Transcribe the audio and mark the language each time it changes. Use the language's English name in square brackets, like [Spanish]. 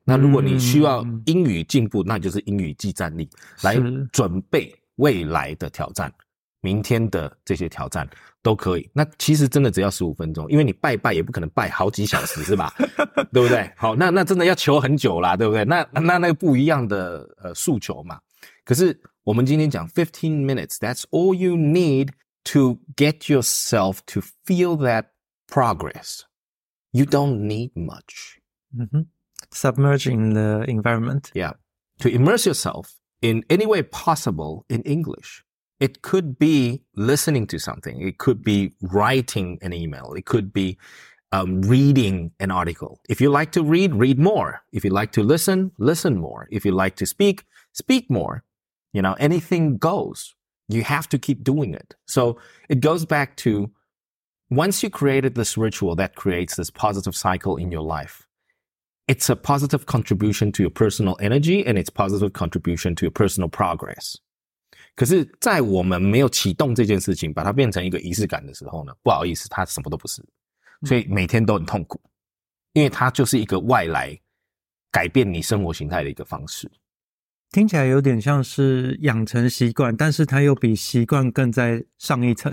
[Chinese] 那如果你需要英语进步，那就是英语记战力，来准备未来的挑战。明天的这些挑战都可以，那其实真的只要15分钟，因为你拜拜也不可能拜好几小时是吧对不对？好，那真的要求很久啦，对不对？那个不一样的诉求嘛。可是我们今天讲 [English] 15 minutes, that's all you need to get yourself to feel that progress. You don't need much.、 Mm-hmm. Submerge in the environment. Yeah. To immerse yourself in any way possible in English. It could be listening to something. It could be writing an email. It could be、reading an article. If you like to read, read more. If you like to listen, listen more. If you like to speak, speak more. You know, anything goes. You have to keep doing it. So it goes back to once you created this ritual that creates this positive cycle in your life, it's a positive contribution to your personal energy and it's a positive contribution to your personal progress. [Chinese] 可是在我们没有启动这件事情把它变成一个仪式感的时候呢，不好意思它什么都不是，所以每天都很痛苦，因为它就是一个外来改变你生活形态的一个方式。听起来有点像是养成习惯，但是它又比习惯更在上一层。